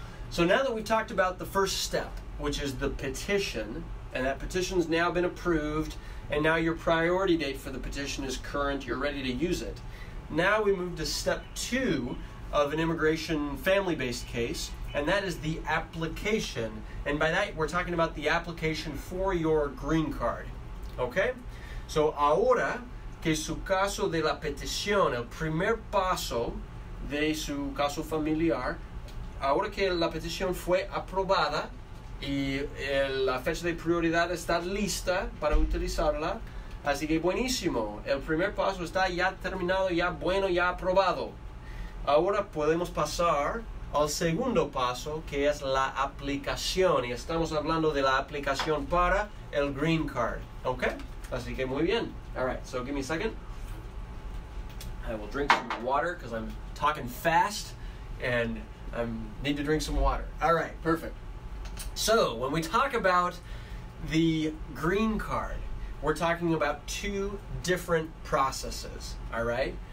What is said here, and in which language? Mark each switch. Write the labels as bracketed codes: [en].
[en] So now that we've talked about the first step, which is the petition, and that petition's now been approved, and now your priority date for the petition is current, you're ready to use it. Now we move to step two of an immigration family-based case, and that is the application. And by that, we're talking about the application for your green card. Okay? [es] So ahora que su caso de la petición, el primer paso de su caso familiar, ahora que la petición fue aprobada, y la fecha de prioridad está lista para utilizarla, así que buenísimo, el primer paso está ya terminado, ya bueno, ya aprobado. Ahora podemos pasar al segundo paso, que es la aplicación, y estamos hablando de la aplicación para el green card. Okay, así que muy bien. [en] All right, so give me a second. I will drink some water because I'm talking fast and I need to drink some water. All right, perfect. So, when we talk about the green card, we're talking about two different processes, all right?